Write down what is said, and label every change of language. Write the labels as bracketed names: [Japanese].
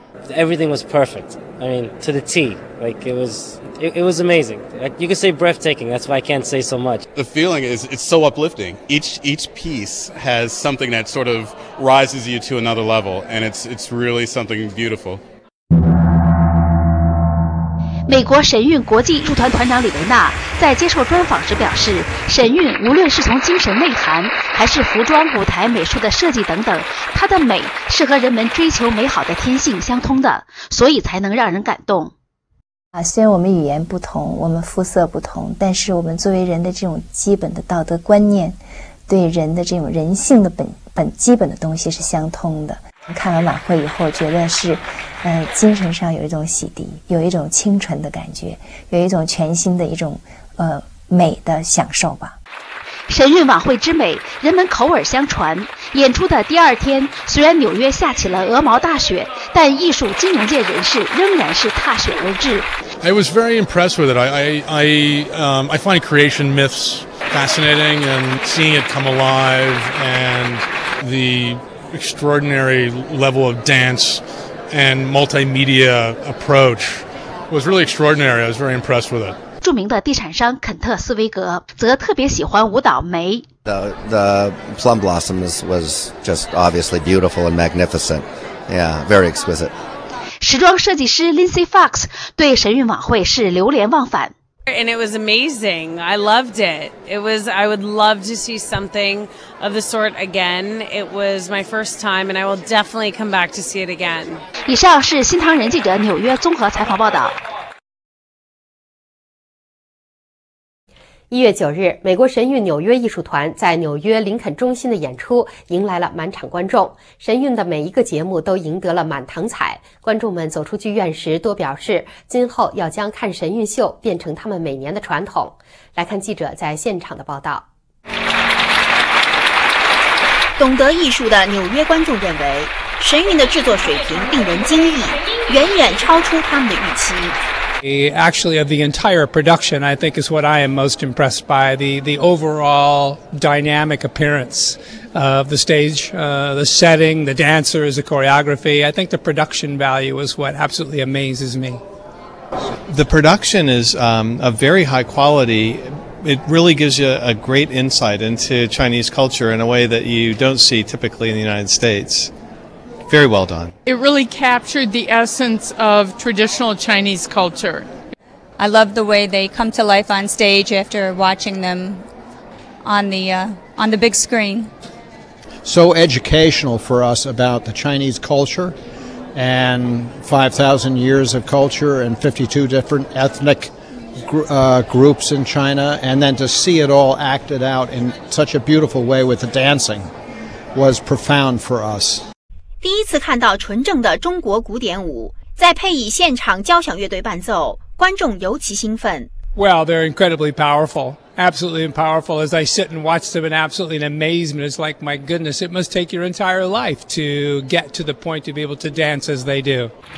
[English] Everything was perfect. I mean, to the T. Like, it was amazing. Like, you could say breathtaking. That's why I can't say so much. The feeling is, it's so uplifting. Each piece has something that sort of rises you to another level, and it's really something beautiful. [Chinese] 美国神韵国际驻团团长李维纳在接受专访时表示，神韵无论是从精神内涵，还是服装、舞台、美术的设计等等，它的美是和人们追求美好的天性相通的，所以才能让人感动。虽然我们语言不同，我们肤色不同，但是我们作为人的这种基本的道德观念，对人的这种人性的本基本的东西是相通的。看完晚会以后觉得是精神上有一种洗涤，有一种清纯的感觉，有一种全新的一种美的享受吧。神韵晚会之美，人们口耳相传。演出的第二天，虽然纽约下起了鹅毛大雪，但艺术金融界人士仍然是踏雪而至。 [English] I was very impressed with it. I find creation myths fascinating and seeing it come alive and theextraordinary level of dance and multimedia approach was really extraordinary. I was very impressed with it. [Chinese] 著名的地产商肯特斯维格则特别喜欢舞蹈梅。 [English] The plum blossoms was just obviously beautiful and magnificent. Yeah, very exquisite. [Chinese] 时装设计师 Lindsay Fox 对神韵晚会是流连忘返。 [English] And it was amazing. I loved it. I would love to see something of the sort again. It was my first time, and I will definitely come back to see it again. [Chinese] 以上是新唐人记者纽约综合采访报道。 1月9日，美国神韵纽约艺术团在纽约林肯中心的演出迎来了满场观众。神韵的每一个节目都赢得了满堂彩。观众们走出剧院时多表示，今后要将看神韵秀变成他们每年的传统。来看记者在现场的报道。懂得艺术的纽约观众认为，神韵的制作水平令人惊异，远远超出他们的预期。 [English] Actually, of the entire production, I think is what I am most impressed by, the overall dynamic appearance of the stage, the setting, the dancers, the choreography. I think the production value is what absolutely amazes me. The production is of very high quality. It really gives you a great insight into Chinese culture in a way that you don't see typically in the United States. Very well done. It really captured the essence of traditional Chinese culture. I love the way they come to life on stage after watching them on the big screen. So educational for us about the Chinese culture and 5,000 years of culture and 52 different ethnic groups in China, and then to see it all acted out in such a beautiful way with the dancing was profound for us. [Chinese] 第一次看到纯正的中国古典舞，再配以现场交响乐队伴奏，观众尤其兴奋。 [English] Well, they're incredibly powerful, absolutely powerful. As I sit and watch them in absolutely in amazement, it's like, my goodness, it must take your entire life to get to the point to be able to dance as they do.